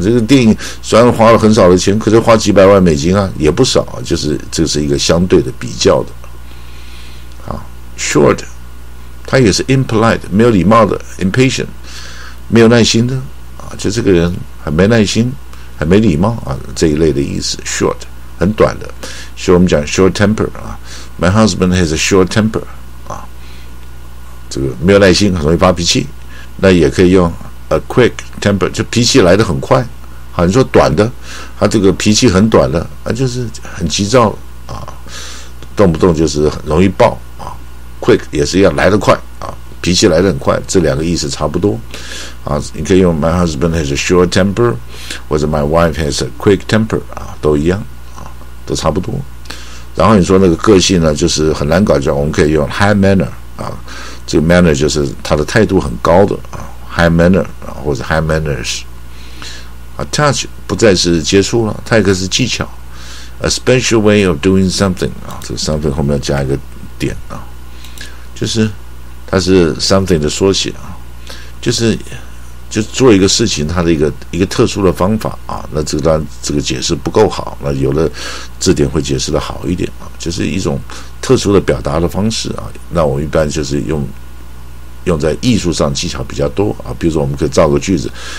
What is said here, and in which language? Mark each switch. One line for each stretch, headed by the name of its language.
Chinese: 这个电影虽然花了很少的钱，可是花几百万美金啊，也不少啊，就是这是一个相对的比较的啊。 Short， 它也是 impolite， 没有礼貌的 ，impatient， 没有耐心的啊，就这个人很没耐心，很没礼貌啊，这一类的意思。 Short， 很短的，所以我们讲
English: short temper
Chinese: 啊 ，
English: My husband has a short temper。
Chinese: 这个没有耐心，很容易发脾气，那也可以用
English: a quick temper，
Chinese: 就脾气来得很快。好，你说短的，他这个脾气很短的，啊，就是很急躁啊，动不动就是很容易爆啊 ，quick 也是一样，来得快啊，脾气来得很快，这两个意思差不多啊。你可以用
English: my husband has a short temper，
Chinese: 或者
English: my wife has a quick temper
Chinese: 啊，都一样啊，都差不多。然后你说那个个性呢，就是很难搞，叫我们可以用
English: high manner
Chinese: 啊，这个 manner 就是他的态度很高的啊 ，high manner 啊，或者
English: high manners。
Chinese: 啊 ，touch 不再是接触了，它一个是技巧 ，
English: a special way of doing something
Chinese: 啊，这个 something 后面要加一个点啊，就是它是 something 的缩写啊，就是做一个事情它的一个特殊的方法啊，那这个当然这个解释不够好，那有的字典会解释的好一点啊，就是一种特殊的表达的方式啊，那我一般就是用在艺术上技巧比较多啊，比如说我们可以造个句子。